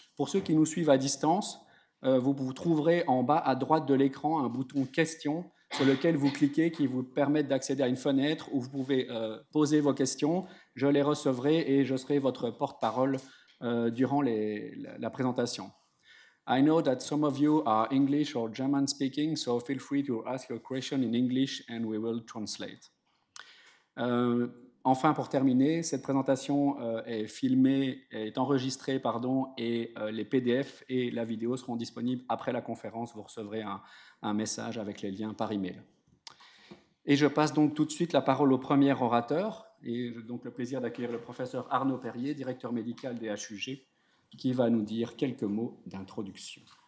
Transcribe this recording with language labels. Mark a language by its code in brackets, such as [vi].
[fr] Pour ceux qui nous suivent à distance, vous trouverez en bas à droite de l'écran un bouton « Questions » sur lequel vous cliquez, qui vous permet d'accéder à une fenêtre où vous pouvez poser vos questions. Je les recevrai et je serai votre porte-parole durant la présentation. [en] I know that some of you are English or German speaking, so feel free to ask your question in English and we will translate. [fr] Enfin, pour terminer, cette présentation est enregistrée, et les PDF et la vidéo seront disponibles après la conférence. Vous recevrez un message avec les liens par email. Et je passe donc tout de suite la parole au premier orateur, et j'ai donc le plaisir d'accueillir le professeur Arnaud Perrier, directeur médical des HUG, qui va nous dire quelques mots d'introduction.